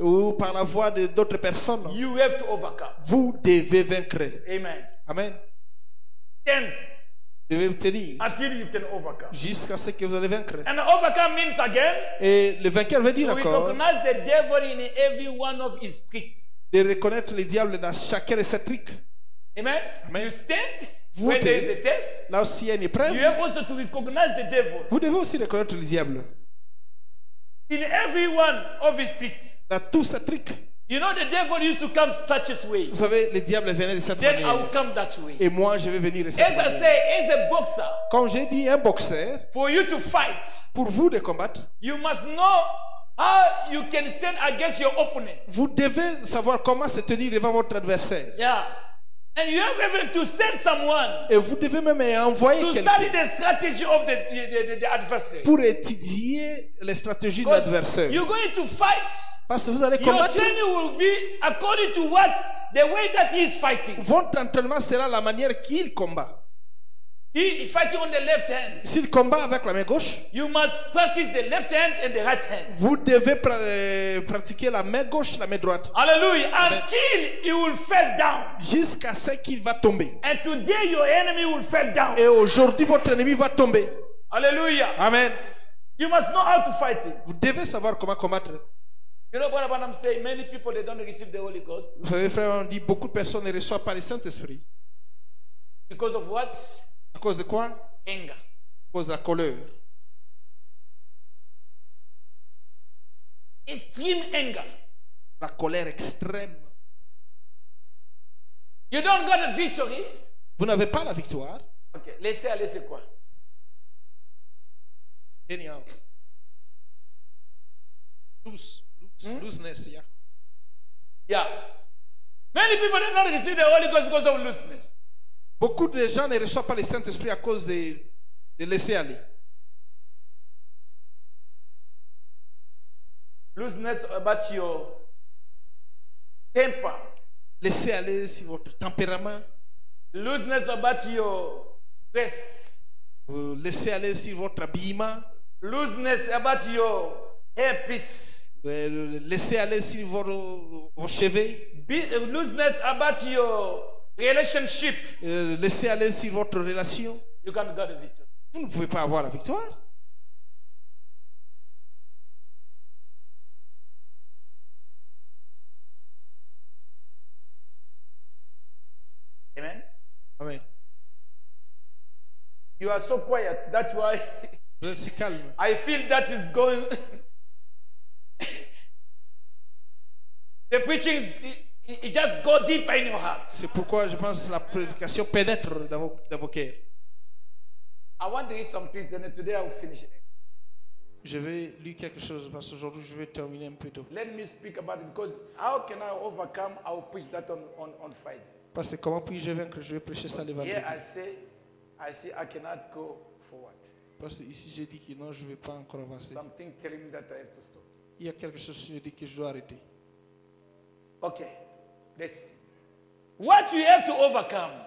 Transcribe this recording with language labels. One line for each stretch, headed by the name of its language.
French: Ou par la voix de d'autres personnes.
English: You have to overcome.
French: Vous devez vaincre. Amen. Amen.
English: Stand.
French: Devez vous tenir
English: until you can overcome.
French: Jusqu'à ce que vous allez vaincre.
English: And overcome means again.
French: Et le vainqueur veut dire
English: so
French: encore.
English: We recognize the devil in every one of his tricks.
French: De reconnaître le diable dans chacun de ses tricks. Amen. Amen.
English: You stand.
French: Vous
English: when there is a test.
French: Là aussi il y a une épreuve.
English: You have also to recognize the devil.
French: Vous devez aussi reconnaître le diable.
English: In every one of his tricks.
French: Dans tous ses tricks.
English: You know the devil used to come such a way.
French: Vous savez, le diable venait de cette
English: then
French: manière.
English: I will come that way.
French: Et moi, je vais venir de cette as manière.
English: I say, as a boxer.
French: Comme j'ai dit, un boxeur.
English: For you to fight.
French: Pour vous de combattre.
English: You must know how you can stand against your opponent.
French: Vous devez savoir comment se tenir devant votre adversaire.
English: Yeah. And you have even to send someone.
French: Et vous devez même envoyer
English: to
French: quelqu'un.
English: To study the strategy of the adversary.
French: Pour étudier les stratégies de l'adversaire.
English: You're going to fight.
French: Parce que vous allez combattre.
English: Your training will be according to what the way that he is fighting.
French: Votre entraînement sera la manière qu'il combat.
English: He is fighting on the left hand.
French: S'il combat avec la main gauche.
English: You must practice the left hand and the right hand.
French: Vous devez pratiquer la main gauche, la main droite.
English: Hallelujah! Until he will fall down.
French: Jusqu'à ce qu'il va tomber.
English: And today your enemy will fall down.
French: Et aujourd'hui votre ennemi va tomber. Hallelujah! Amen.
English: You must know how to fight him.
French: Vous devez savoir comment combattre.
English: You know what I'm saying? Many people they don't receive the Holy Ghost.
French: Vous savez, frère, on dit beaucoup de personnes ne reçoivent pas le Saint-Esprit.
English: Because of what?
French: À cause de quoi?
English: Anger.
French: À cause de la colère.
English: Extreme anger.
French: La colère extrême.
English: You don't got a victory.
French: Vous n'avez pas la victoire. Ok, laissez aller, c'est quoi?
English: Anyhow.
French: Tous.
English: Looseness, yeah. Yeah. Many people do not receive the Holy Ghost because of looseness.
French: Beaucoup de gens ne reçoivent pas le Saint-Esprit à cause de laisser aller.
English: Looseness about your temper.
French: Laissez aller sur votre tempérament.
English: Looseness about your dress.
French: Laissez aller sur votre habillement.
English: Looseness about your hairpiece.
French: Laissez aller sur vos cheveux.
English: Looseness about your relationship.
French: Laissez aller sur votre relation.
English: You can't get a victory.
French: Vous ne pouvez pas avoir la victoire. Amen. Amen.
English: You are so quiet. That's why.
French: Je suis calme.
English: I feel that is going. The preaching it just go deep in your heart.
French: C'est pourquoi je pense que la prédication pénètre dans vos cœurs.
English: I want to read some piece, then today I will finish it.
French: Je vais lire quelque chose parce qu'aujourd'hui je vais terminer un peu tôt.
English: Let me speak about it because how can I overcome? I will preach that on Friday.
French: Parce que comment puis-je vaincre? Je vais prêcher ça le vendredi.
English: Here I say I cannot go forward.
French: Parce que ici j'ai dit que non, je ne vais pas encore avancer.
English: Something telling me that I have to stop.
French: Il y a quelque chose qui me dit que je dois arrêter.
English: Okay, let's see. What you have to overcome.